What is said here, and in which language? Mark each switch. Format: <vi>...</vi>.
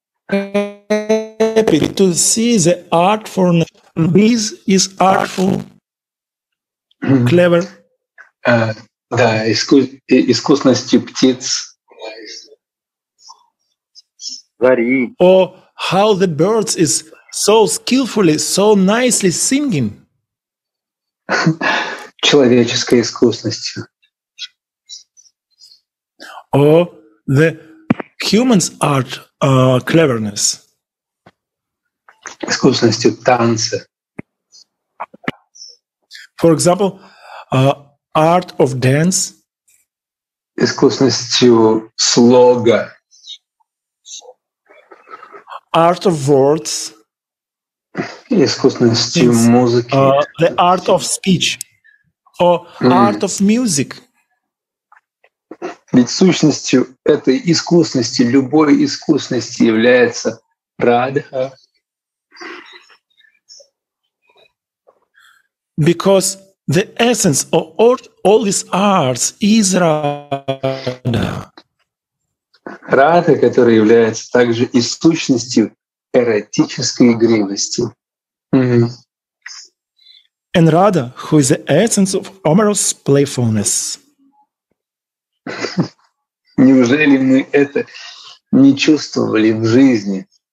<en>Happy to see the art for bees is artful, clever.</en> <ru>Да, искусностью птиц.</ru> <en>Or how the birds is so skillfully, so nicely singing.</en> <ru>Человеческой искусностью.</ru> <en>Or the human's art cleverness.</en> <ru>Искусностью танца.</ru> <en>For example, art of dance.</en> <ru>Искусностью слога.</ru> <en>Art of words.</en> <ru>Искусностью музыки.</ru> <en>The art of speech. Or art of music.</en> <ru>Ведь сущностью этой искусности, любой искусности, является Радха.</ru> <en>Because the essence of all these arts is Radha.</en> <ru>Радха, которая является также и сущностью эротической игривости.</ru> <en>And Radha, who is the essence of amorous playfulness.</en> <ru>Неужели мы это не чувствовали в жизни?</ru>